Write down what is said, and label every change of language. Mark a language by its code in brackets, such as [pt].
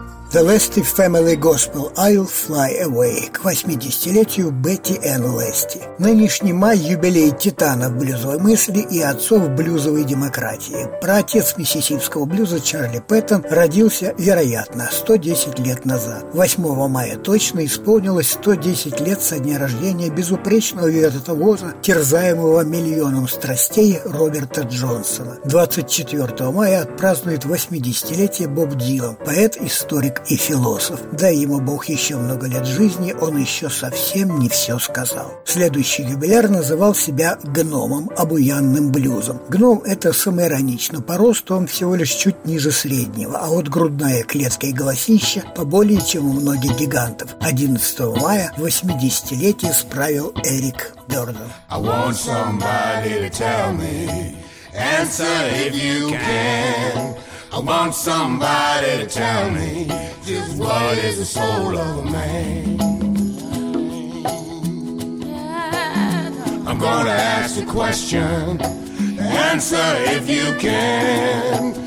[ru] The Lesty Family Gospel «I'll Fly Away» к 80-летию Бетти Энн Лести. Нынешний май – юбилей титанов блюзовой мысли и отцов блюзовой демократии. Праотец миссисипского блюза Чарли Пэттон родился, вероятно, 110 лет назад. 8 мая точно исполнилось 110 лет со дня рождения безупречного виртуоза, терзаемого миллионом страстей Роберта Джонсона. 24 мая отпразднует 80-летие Боб Дилан, поэт, историк и философ. Дай ему Бог еще много лет жизни, он еще совсем не все сказал. Следующий юбиляр называл себя гномом, обуянным блюзом. Гном – это самоиронично. По росту он всего лишь чуть ниже среднего, а вот грудная клетка и голосище поболее, чем у многих гигантов. 11 мая 80-летие справил Эрик Бёрден. [en] I want somebody to tell me, answer if you can. I want somebody to tell me just what is the soul of a man. I'm gonna ask a question, answer if you can.